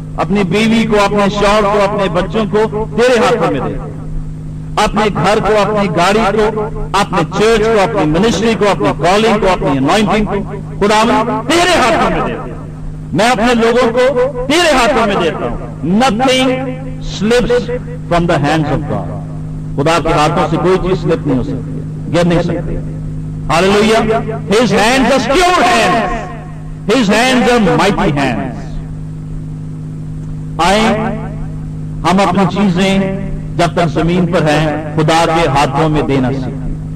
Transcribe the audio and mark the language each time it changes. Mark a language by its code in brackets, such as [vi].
[ur] اپنی بیوی کو، اپنے شوہر کو، اپنے بچوں کو تیرے ہاتھوں میں دے دوں. اپنے گھر کو، اپنی گاڑی کو، اپنے چرچ کو، اپنی منسٹری کو، اپنی کالنگ کو، اپنی انوائنٹنگ کو خداوند تیرے ہاتھوں میں دے دوں. میں اپنے لوگوں کو تیرے ہاتھوں میں دیتا ہوں. [en] Nothing slips from the hands of God. [ur] خدا کے ہاتھوں سے کوئی چیز سلپ نہیں ہو سکتی، گر نہیں سکتی. Hallelujah. [en] His hands are secure hands, his hands are mighty hands. [ur] آئیں ہم اپنی چیزیں جب تک زمین پر ہیں خدا کے ہاتھوں میں دینا سیکھیں.